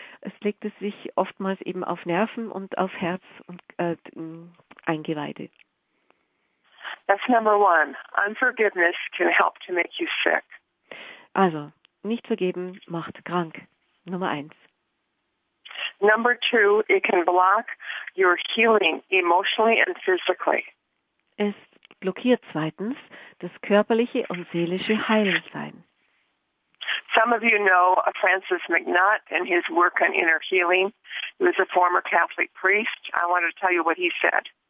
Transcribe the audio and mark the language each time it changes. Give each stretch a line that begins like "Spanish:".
German: Es legt es sich oftmals eben auf Nerven und auf Herz und Eingeweide.
English: That's number one. Unforgiveness can help to make you sick.
German: Also, nicht vergeben macht krank. Nummer eins.
English: Number two, it can block your healing emotionally and physically.
German: Es blockiert zweitens das körperliche und seelische Heilsein.
English: Some of you know Francis McNutt and his work on inner healing. He was a former Catholic priest. I want to tell you what he said.